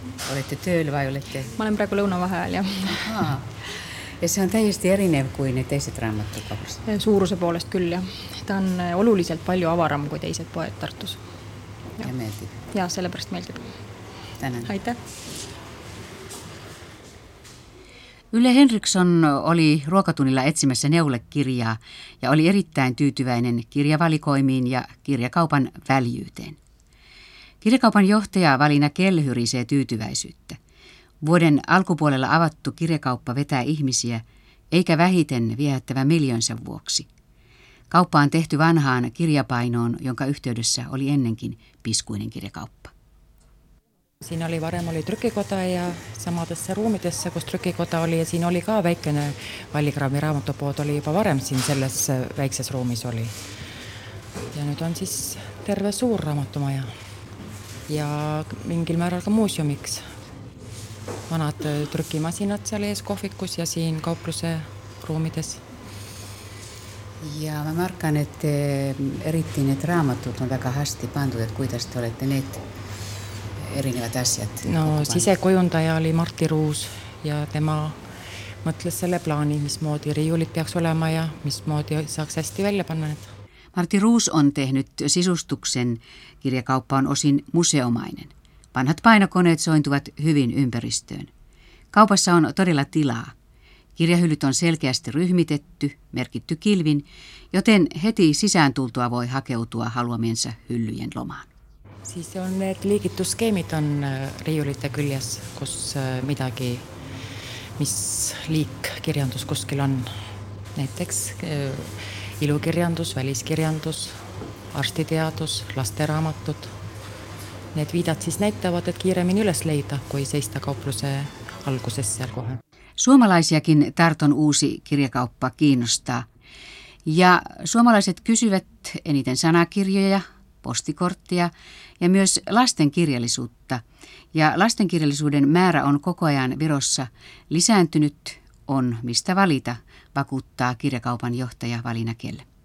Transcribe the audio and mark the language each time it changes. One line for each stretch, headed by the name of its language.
Estonian: Olete tööl või olete? Ma olen praegu lõunavaheajal, jah. Ja see on täiesti erinev kui need teised raamatukaupus? Suuruse poolest küll, jah. Ta on oluliselt palju avaram kui teised poed Tartus. Ja meeldib. Ja sellepärast meeldib. Tänan. Aitäh.
Finnish: Ylle Henriksson oli ruokatunnilla etsimässä neulekirjaa ja oli erittäin tyytyväinen kirjavalikoimiin ja kirjakaupan väljyyteen. Kirjakaupan johtaja Valina Kell hyrisee tyytyväisyyttä. Vuoden alkupuolella avattu kirjakauppa vetää ihmisiä, eikä vähiten viehättävä miljoonsa vuoksi. Kauppa on tehty vanhaan kirjapainoon, jonka yhteydessä oli ennenkin piskuinen kirjakauppa.
Estonian: Siin oli varem oli trükikoda ja samadesse ruumidesse, kus trükikoda oli ja siin oli ka väikene Vallikraavi raamatupood oli juba varem siin selles väikses ruumis oli. Ja nüüd on siis terve suur raamatumaja ja mingil määral ka muusiumiks. Vanad trükimasinad seal ees kohvikus ja siin kaupluse ruumides. Ja ma märkan, et eriti need raamatud on väga hästi pandud, et kuidas te olete need erinevad asjad. No, sisekujundaja oli Martti Ruus ja tema mõtles selle plaani, mis moodi riiulid peaks olema ja mis moodi saaks hästi välja panna.
Finnish: Martti Ruus on tehnyt sisustuksen. Kirjakauppa on osin museomainen. Vanhat painokoneet sointuvat hyvin ympäristöön. Kaupassa on todella tilaa. Kirjahyllyt on selkeästi ryhmitetty, merkitty kilvin, joten heti sisään tultua voi hakeutua haluamiensa hyllyjen lomaan.
Estonian: Siis on need liigitusskeemid on riiulite küljes, kus midagi, mis liik kirjandus kuskil on. Näiteks ilukirjandus, väliskirjandus, arstiteadus, lasteraamatud. Need viidad siis näitavad, et kiiremin üles leida, kui seista kaupluse alguses seal kohe.
Finnish: Suomalaisiakin Tarton uusi kirjakauppa kiinnostaa. Ja suomalaiset kysyvät eniten sanakirjoja, postikorttia ja myös lastenkirjallisuutta. Ja lastenkirjallisuuden määrä on koko ajan Virossa lisääntynyt, on mistä valita, vakuuttaa kirjakaupan johtaja Valina Kell.